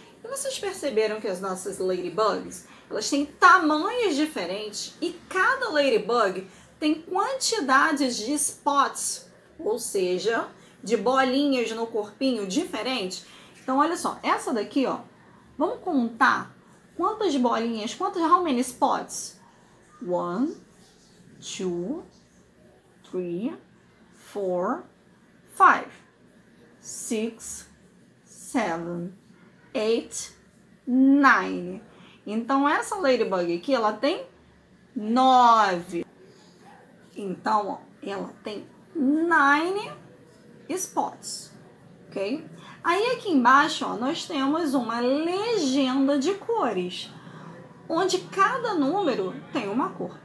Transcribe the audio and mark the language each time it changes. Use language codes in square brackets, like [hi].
[pt] E vocês perceberam que as nossas ladybugs, elas têm tamanhos diferentes e cada ladybug tem quantidades de spots, ou seja, de bolinhas no corpinho diferente. Então, olha só, essa daqui, ó, vamos contar quantas bolinhas, quantas, [en] how many spots? One, two, three, four, five, six, seven, eight, nine. [pt] Então, essa ladybug aqui, ela tem nove. Então, ó, ela tem [en] nine spots, [pt] ok? Aí, aqui embaixo, ó, nós temos uma legenda de cores, onde cada número tem uma cor.